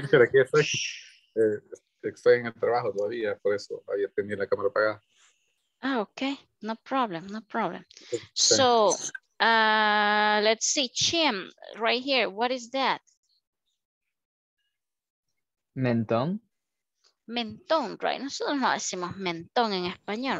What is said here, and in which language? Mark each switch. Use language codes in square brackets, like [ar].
[es] Sí, aquí estoy en el trabajo todavía, por eso había tenido la cámara apagada. [en] Ah, ok, no problem, no problem. Sí. So, let's see, chin, right here, what is that? [es] Mentón. Mentón, right, nosotros no decimos mentón en español,